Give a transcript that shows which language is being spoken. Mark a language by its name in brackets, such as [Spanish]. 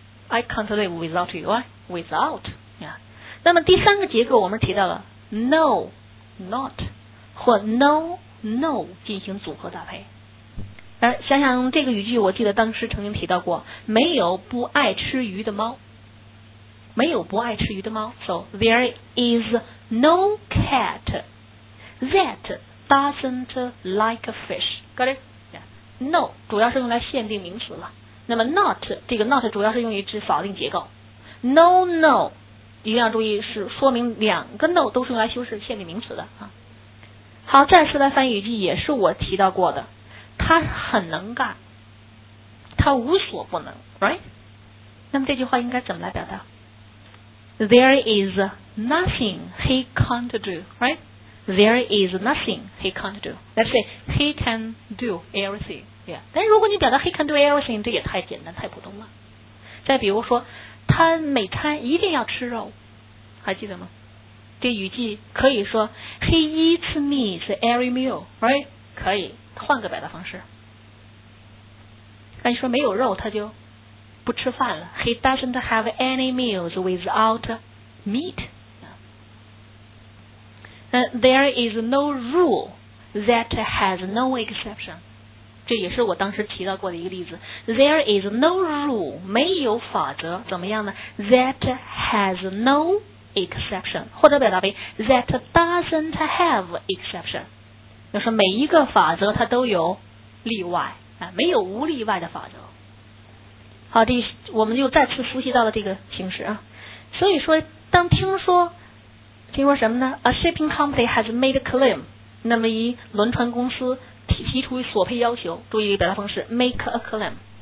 [English] I can't live without you. Why? Without.、 [Chinese] Yeah. 那么第三个结构我们提到了 no, not 或 no, no 进行组合搭配。想想这个语句，我记得当时曾经提到过，没有不爱吃鱼的猫。没有不爱吃鱼的猫 [English] So there is no cat that doesn't like fish Got it?、 Yeah. [Chinese] No 主要是用来限定名词了那么 not 这个 not 主要是用于指否定结构 No no 一定要注意是说明两个 no 都是用来修饰限定名词的、啊、好再次来翻译语句也是我提到过的他很能干他无所不能 [English] Right [Chinese] 那么这句话应该怎么来表达 [English] There is nothing he can't do, right? There is nothing he can't do. Let's say he can do everything. Yeah. [Chinese] 但如果你表达 [English] he can do everything, [Chinese] 这也太简单太普通了。再比如说他每餐一定要吃肉。还记得吗这语句可以说 [English] he eats meat every meal, right? [Chinese] 可以换个表达方式。那你说没有肉他就不吃饭了 [English] He doesn't have any meals without meat、There is no rule that has no exception [Chinese] 这也是我当时提到过的一个例子 [English] There is no rule [Chinese] 没有法则怎么样呢 [English] That has no exception [Chinese] 或者表达为 [English] That doesn't have exception [Chinese] 就是每一个法则它都有例外、没有无例外的法则好的我们又再次复习到了这个形式啊。所以说当听说什么呢 ? [English] A shipping company has made a claim, [Chinese] 那么一轮船公司提出索赔要求注意的表达方式 ,make a claim。